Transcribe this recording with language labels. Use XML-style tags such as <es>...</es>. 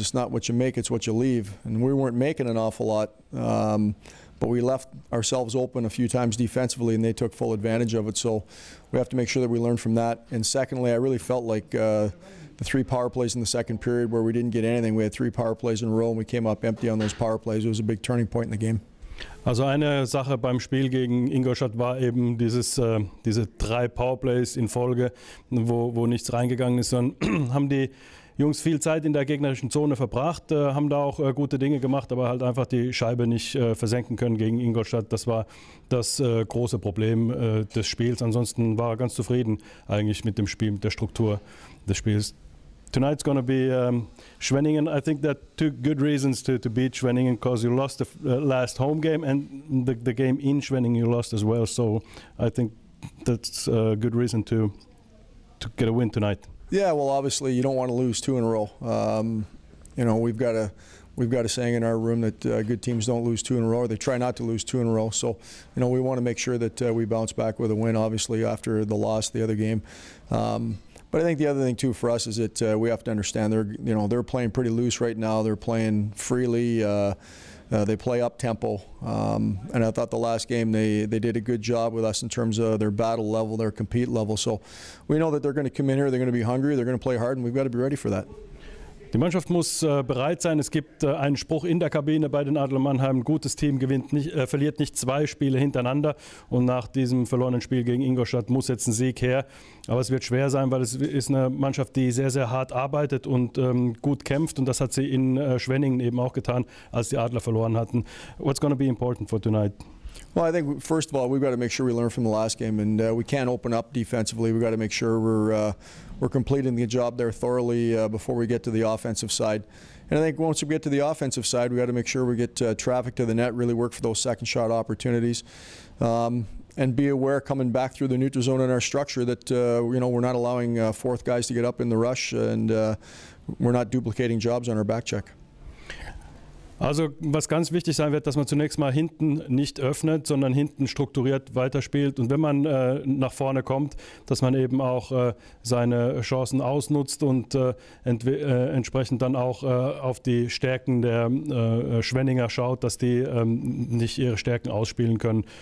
<en>It's not what you make, it's what you leave. And we weren't making an awful lot, but we left ourselves open a few times defensively and they took full advantage of it. So we have to make sure that we learn from that. And secondly, I really felt like the three power plays in the second period where we didn't get anything, we had three power plays in a row and we came up empty on those power plays. It was a big turning point in the game.</en> <de>Also eine Sache beim Spiel gegen Ingolstadt war eben diese drei Powerplays in Folge, wo nichts reingegangen ist. Dann haben die Jungs viel Zeit in der gegnerischen Zone verbracht, haben da auch gute Dinge gemacht, aber halt einfach die Scheibe nicht versenken können gegen Ingolstadt. Das war das große Problem des Spiels. Ansonsten war er ganz zufrieden eigentlich mit dem Spiel, mit der Struktur des Spiels.</de> <en>Tonight's going to be Schwenningen. I think there are two good reasons to beat Schwenningen, because you lost the last home game and the game in Schwenningen you lost as well. So I think that's a good reason to get a win tonight. Yeah, well, obviously you don't want to lose two in a row. You know, we've got a saying in our room that good teams don't lose two in a row. Or they try not to lose two in a row. So, you know, we want to make sure that we bounce back with a win, obviously, after the loss the other game. But I think the other thing too for us is that we have to understand they're playing pretty loose right now. They're playing freely. They play up tempo, and I thought the last game they did a good job with us in terms of their battle level, their compete level. So we know that they're going to come in here. They're going to be hungry. They're going to play hard, and we've got to be ready for that.</en> <de>Die Mannschaft muss bereit sein. Es gibt einen Spruch in der Kabine bei den Adler Mannheim. Gutes Team gewinnt nicht, verliert nicht zwei Spiele hintereinander. Und nach diesem verlorenen Spiel gegen Ingolstadt muss jetzt ein Sieg her. Aber es wird schwer sein, weil es ist eine Mannschaft, die sehr, sehr hart arbeitet und gut kämpft. Und das hat sie in Schwenningen eben auch getan, als die Adler verloren hatten.</de> <en>What's going to be important for tonight? Well, I think, first of all, we've got to make sure we learn from the last game, and we can't open up defensively. We've got to make sure we're completing the job there thoroughly before we get to the offensive side. And I think once we get to the offensive side, we've got to make sure we get traffic to the net, really work for those second shot opportunities, and be aware coming back through the neutral zone in our structure that you know, we're not allowing fourth guys to get up in the rush, and we're not duplicating jobs on our back check.</en> <de>Also was ganz wichtig sein wird, dass man zunächst mal hinten nicht öffnet, sondern hinten strukturiert weiterspielt. Und wenn man nach vorne kommt, dass man eben auch seine Chancen ausnutzt und entsprechend dann auch auf die Stärken der Schwenninger schaut, dass die nicht ihre Stärken ausspielen können.</de>